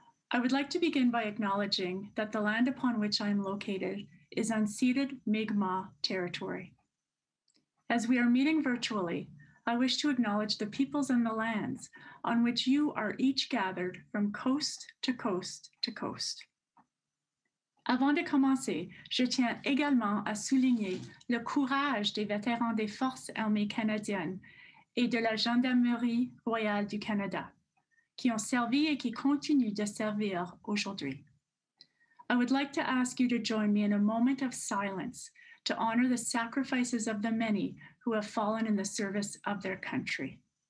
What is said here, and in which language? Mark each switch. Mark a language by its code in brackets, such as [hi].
[en] I would like to begin by acknowledging that the land upon which I am located is unceded Mi'kmaq territory. As we are meeting virtually, I wish to acknowledge the peoples and the lands on which you are each gathered from coast to coast to coast. [fr] Avant de commencer, je tiens également à souligner le courage des vétérans des Forces armées canadiennes et de la Gendarmerie royale du Canada, qui ont servi et qui continuent de servir aujourd'hui. [en] I would like to ask you to join me in a moment of silence to honor the sacrifices of the many who have fallen in the service of their country.